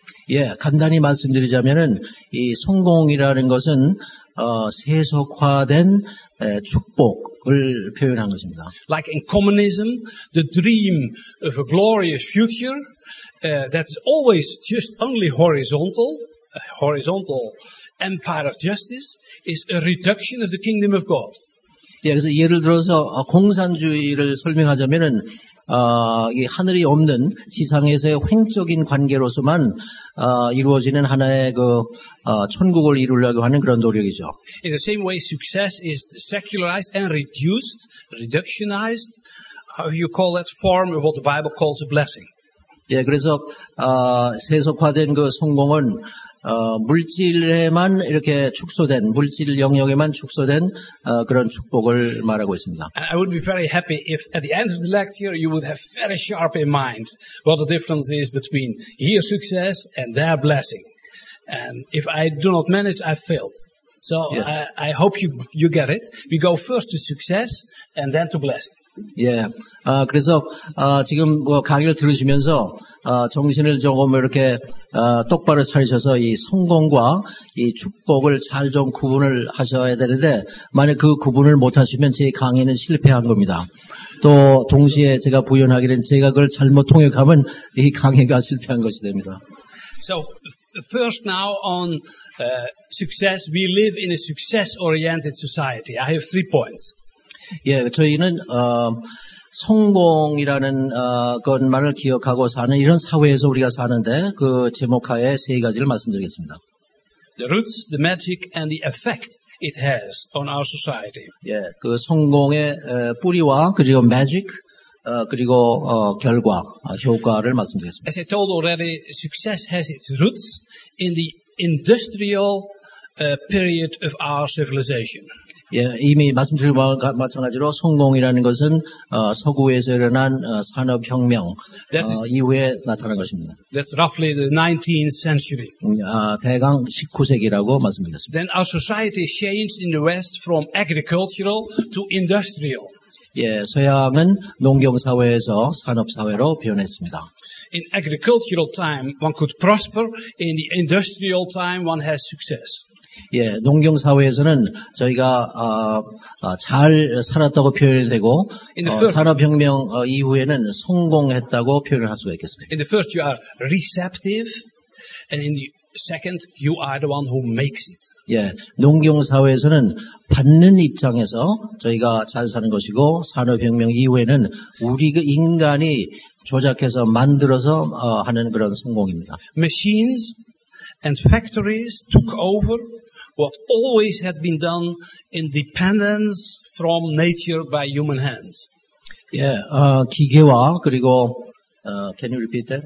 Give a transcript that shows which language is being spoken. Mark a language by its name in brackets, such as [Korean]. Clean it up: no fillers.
[Korean] 예, 간단히 말씀드리자면은 이 성공이라는 것은 세속화된 축복을 표현한 것입니다. [English] Like in communism, the dream of a glorious future that's always just only horizontal, a horizontal empire of justice is a reduction of the kingdom of God. [Korean] 예, 그래서 예를 들어서 공산주의를 설명하자면은 이 하늘이 없는 지상에서의 횡적인 관계로서만 이루어지는 하나의 그 천국을 이루려고 하는 그런 노력이죠. [English] In the same way, success is secularized and reduced, reductionized. How you call that form of what the Bible calls a blessing? [Korean] 예, 그래서 세속화된 그 성공은 물질에만 이렇게 축소된 물질 영역에만 축소된 그런 축복을 말하고 있습니다. [English] I would be very happy if at the end of the lecture you would have very sharp in mind what the difference is between your success and their blessing. And if I do not manage, I failed. So yeah. I hope you get it. We go first to success and then to blessing. [Korean] 예, 그래서 지금 뭐 강의를 들으시면서 정신을 조금 이렇게 똑바로 차리셔서 이 성공과 이 축복을 잘 좀 구분을 하셔야 되는데 만약 그 구분을 못하시면 제 강의는 실패한 겁니다. 또 동시에 제가 부연하기는 제가 그걸 잘못 통역하면 이 강의가 실패한 것이 됩니다. [English] So first now on success, we live in a success-oriented society. I have three points. [Korean] 예, 저희는 성공이라는 것만을 기억하고 사는 이런 사회에서 우리가 사는데 그 제목하에 세 가지를 말씀드리겠습니다. [English] The roots, the magic, and the effect it has on our society. [Korean] 예, 그 성공의 뿌리와 그리고 magic 그리고 결과 효과를 말씀드리겠습니다. [English] As I told already, success has its roots in the industrial period of our civilization. [Korean] 예, 이미 말씀드린 바와 마찬가지로 성공이라는 것은 서구에서 일어난 산업혁명 이후에 나타난 것입니다. [English] That's roughly the 19th century. [Korean] 대강 19세기라고 말씀드렸습니다. [English] Then our society changed in the West from agricultural to industrial. [Korean] 예, 서양은 농경사회에서 산업사회로 변했습니다. [English] In agricultural time, one could prosper. In the industrial time, one has success. [Korean] 예, 농경 사회에서는 저희가 잘 살았다고 표현이 되고 산업혁명 이후에는 성공했다고 표현을 할 수가 있겠습니다. [English] In the first you are receptive and in the second you are the one who makes it. [Korean] 예, 농경 사회에서는 받는 입장에서 저희가 잘 사는 것이고 산업혁명 이후에는 우리 그 인간이 조작해서 만들어서 하는 그런 성공입니다. [English] Machines and factories took over what always had been done in dependence from nature by human hands. Yeah, [Korean] 기계화 그리고 [English] can you repeat that?